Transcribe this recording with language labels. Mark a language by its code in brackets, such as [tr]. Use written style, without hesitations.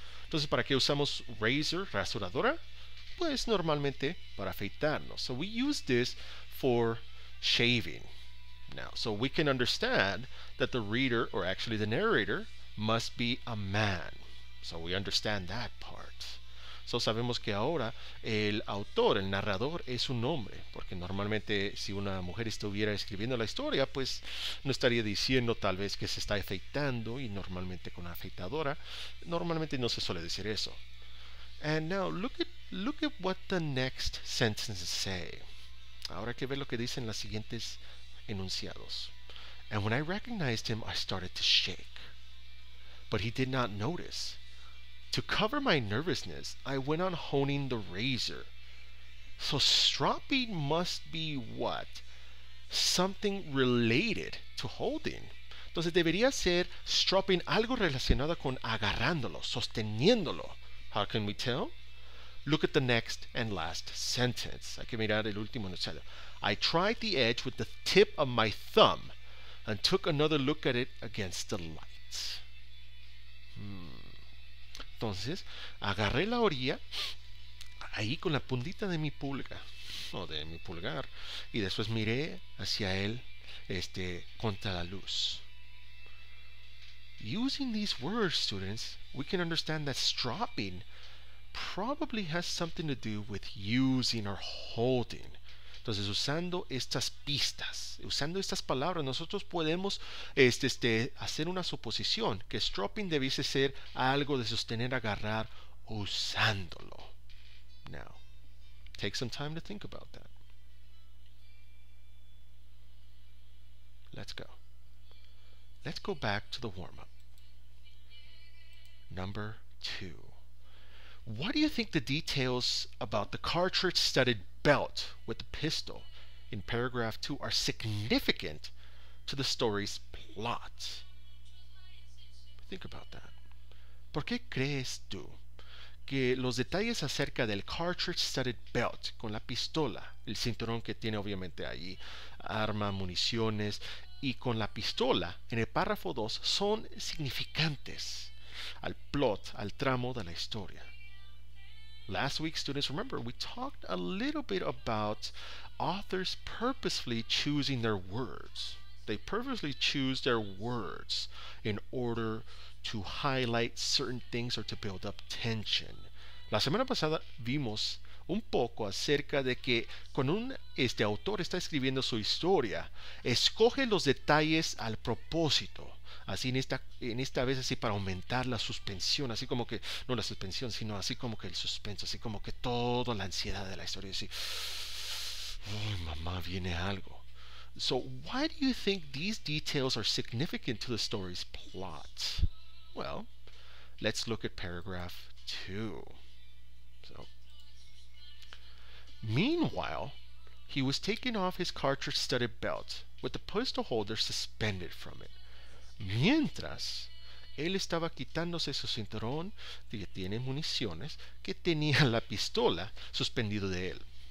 [es] Entonces, ¿para qué usamos razor, rasuradora? Pues, normalmente, para afeitarnos. [en] So, we use this for shaving. Now, so we can understand that the reader, or actually the narrator, must be a man. So we understand that part. [es] So sabemos que ahora el autor, el narrador, es un hombre. Porque normalmente si una mujer estuviera escribiendo la historia, pues no estaría diciendo tal vez que se está afeitando, y normalmente con una afeitadora, normalmente no se suele decir eso. [en] And now look at what the next sentences say. [es] Ahora hay que ver lo que dicen las siguientes enunciados. [en] And when I recognized him, I started to shake. But he did not notice. To cover my nervousness, I went on honing the razor. So stropping must be what? Something related to holding. [es] Entonces debería ser stropping algo relacionado con agarrándolo, sosteniéndolo. [en] How can we tell? Look at the next and last sentence. [es] Hay que mirar el último enunciado. [en] I tried the edge with the tip of my thumb and took another look at it against the light. [es] Entonces, agarré la orilla ahí con la puntita de mi pulga, o de mi pulgar, y después miré hacia él, contra la luz. [en] Using these words, students, we can understand that stropping probably has something to do with using or holding. [es] Entonces, usando estas pistas, usando estas palabras, nosotros podemos hacer una suposición que stropping debiese ser algo de sostener, agarrar, usándolo. [en] Now, take some time to think about that. Let's go. Let's go back to the warm-up. Number two. What do you think the details about the cartridge-studded belt with the pistol in paragraph 2 are significant to the story's plot? Think about that. [es] ¿Por qué crees tú que los detalles acerca del cartridge-studded belt con la pistola, el cinturón que tiene obviamente allí, arma, municiones, y con la pistola en el párrafo 2 son significantes al plot, al tramo de la historia? [en] Last week, students, remember, we talked a little bit about authors purposefully choosing their words. They purposely choose their words in order to highlight certain things or to build up tension. [es] La semana pasada vimos un poco acerca de que cuando un autor está escribiendo su historia, escoge los detalles al propósito. Así en esta vez, así para aumentar la suspensión, así como que, no la suspensión, sino así como que el suspenso, así como que toda la ansiedad de la historia, así, uy, mamá, viene algo. [en] So, why do you think these details are significant to the story's plot? Well, let's look at paragraph 2. So, meanwhile, he was taking off his cartridge-studded belt with the pistol holder suspended from it. [es] Mientras él estaba quitándose su cinturón que tiene municiones, que tenía la pistola suspendido de él.